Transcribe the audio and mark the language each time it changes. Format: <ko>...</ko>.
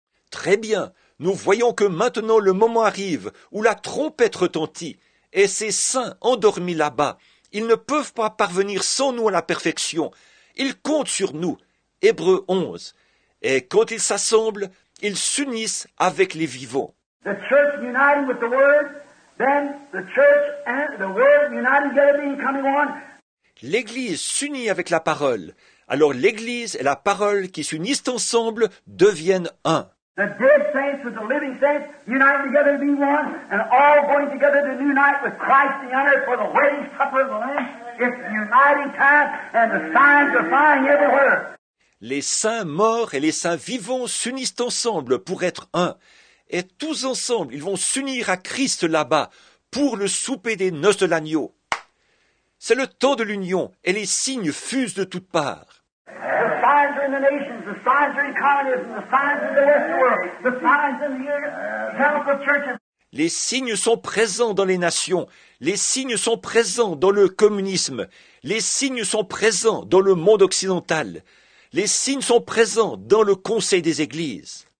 <fr>Très bien, nous voyons que maintenant le moment arrive où la trompette retentit et ces saints endormis là-bas, ils ne peuvent pas parvenir sans nous à la perfection. Ils comptent sur nous, Hébreux 11. Et quand ils s'assemblent, ils s'unissent avec les vivants.</fr> <en>The church uniting with the word, then the church and the word uniting together becoming one.</en> <fr>L'Église s'unit avec la parole, alors l'Église et la parole qui s'unissent ensemble deviennent un.</fr> <en>The dead saints with the living saints unite together to be one, and all going together to unite with Christ the other for the wedding supper of the Lamb. It's the uniting time, and the signs are flying everywhere.</en> <fr>Les saints morts et les saints vivants s'unissent ensemble pour être un, et tous ensemble ils vont s'unir à Christ là-bas pour le souper des noces de l'agneau. C'est le temps de l'union et les signes fusent de toutes parts.</fr> <en>The signs are in the nations, the signs are in communism, the signs are in the Western world, the signs in the evangelical churches.</en> <fr>Les signes sont présents dans les nations, les signes sont présents dans le communisme, les signes sont présents dans le monde occidental, les signes sont présents dans le conseil des églises.</fr>